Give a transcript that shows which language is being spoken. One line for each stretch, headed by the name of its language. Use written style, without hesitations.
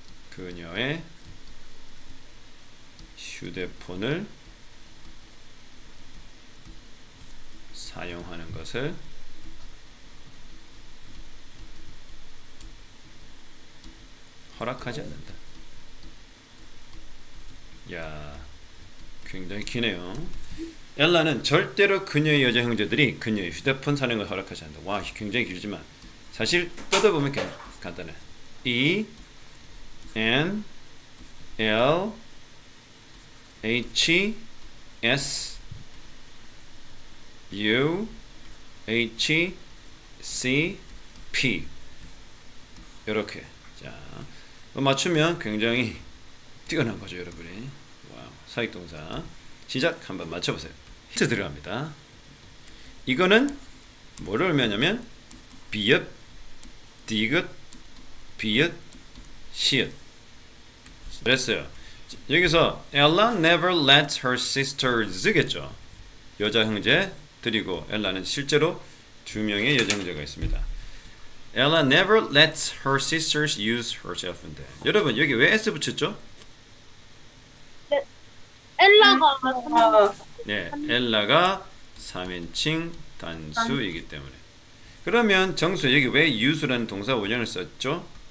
Korean: 그녀의 휴대폰을 사용하는 것을 허락하지 않는다. 야, 굉장히 기네요. 엘라는 절대로 그녀의 여자 형제들이 그녀의 휴대폰 사는 걸 허락하지 않는다. 와, 굉장히 길지만 사실 뜯어보면 간단해. E N L H S U H C P 이렇게. 자, 맞추면 굉장히 뛰어난 거죠, 여러분이. 와우, 사익동사. 시작 한번 맞춰보세요. 힌트 들어갑니다. 이거는 뭐를 의미하냐면 비읍, 디귿, 비읍, 시읒. 그랬어요. 여기서
English: Ella never lets her sisters겠죠.
Korean: 여자 형제 그리고 엘라는 실제로 두 명의 여자 형제가 있습니다.
English: Ella never lets her sisters use herself인데
Korean: 여러분 여기 왜 S 붙였죠? 엘라가 네, 엘라가 3인칭 단수이기 때문에. 그러면 정수 여기 왜 use라는 동사 원형을 썼죠?